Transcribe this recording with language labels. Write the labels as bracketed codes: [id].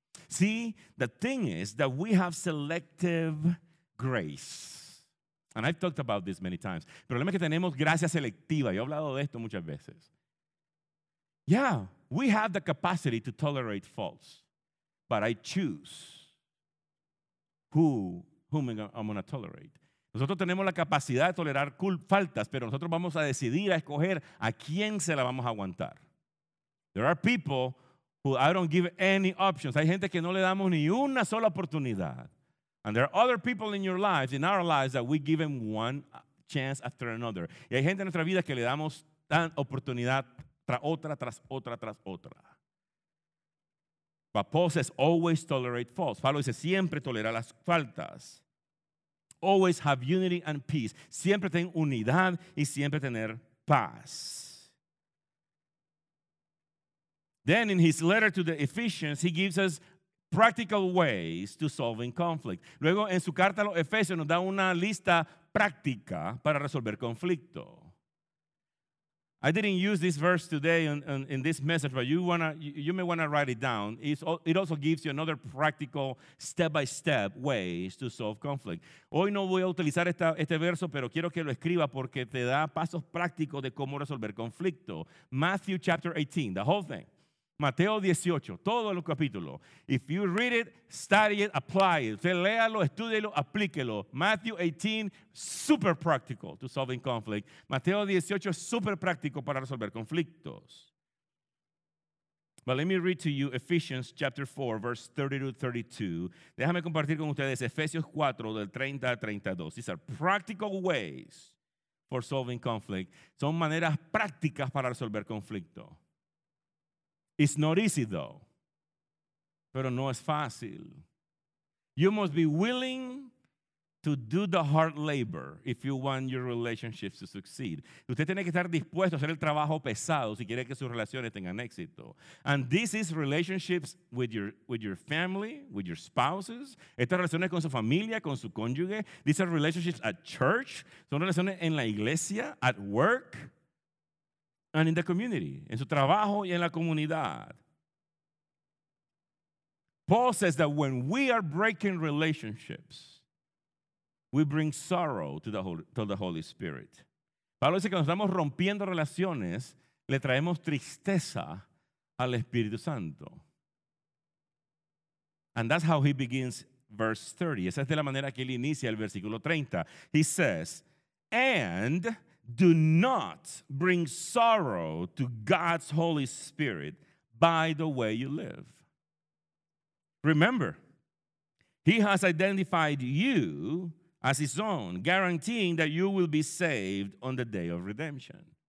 [en] See, the thing is that we have selective grace. And I've talked about this many times. [es] El problema es que tenemos gracia selectiva. Yo he hablado de esto muchas veces. [en] Yeah, we have the capacity to tolerate faults. But I choose whom I'm going to tolerate. [es] Nosotros tenemos la capacidad de tolerar faltas, pero nosotros vamos a decidir, a escoger a quién se la vamos a aguantar. [en] There are people who I don't give any options. [es] Hay gente que no le damos ni una sola oportunidad. [en] And there are other people in your lives, in our lives, that we give them one chance after another. [es] Y hay gente en nuestra vida que le damos tan oportunidad tras otra, tras otra, tras otra. [en] But Paul says, always tolerate faults. [es] Pablo dice, siempre tolera las faltas. [en] Always have unity and peace. [es] Siempre ten unidad y siempre tener paz. [en] Then in his letter to the Ephesians, he gives us practical ways to solving conflict. [es] Luego, en su carta a los Efesios, nos da una lista práctica para resolver conflicto. [en] I didn't use this verse today in this message, but you may want to write it down. It also gives you another practical step-by-step ways to solve conflict. [es] Hoy no voy a utilizar este verso, pero quiero que lo escriba porque te da pasos prácticos de cómo resolver conflicto. [en] Matthew chapter 18, the whole thing. [es] Mateo 18, todo el capítulo. [en] If you read it, study it, apply it. [es] Usted léalo, estúdielo, aplíquelo. [en] Matthew 18, super practical to solving conflict. [es] Mateo 18, super práctico para resolver conflictos. [en] But let me read to you Ephesians chapter 4, verse 30 to 32. [es] Déjame compartir con ustedes Efesios 4, del 30 al 32. [en] These are practical ways for solving conflict. [es] Son maneras prácticas para resolver conflicto. [en] It's not easy, though. [es] Pero no es fácil. [en] You must be willing to do the hard labor if you want your relationships to succeed. [es] Usted tiene que estar dispuesto a hacer el trabajo pesado si quiere que sus relaciones tengan éxito. [en] And this is relationships with your family, with your spouses. [es] Estas relaciones con su familia, con su cónyuge. [en] These are relationships at church. [es] Son relaciones en la iglesia, [en] at work. And in the community, [es] en su trabajo y en la comunidad. [en] Paul says that when we are breaking relationships, we bring sorrow to the Holy Spirit. [es] Pablo dice que cuando estamos rompiendo relaciones, le traemos tristeza al Espíritu Santo. [en] And that's how he begins verse 30. [es] Esa es de la manera que él inicia el versículo 30. [en] He says, and do not bring sorrow to God's Holy Spirit by the way you live. Remember, he has identified you as his own, guaranteeing that you will be saved on the day of redemption.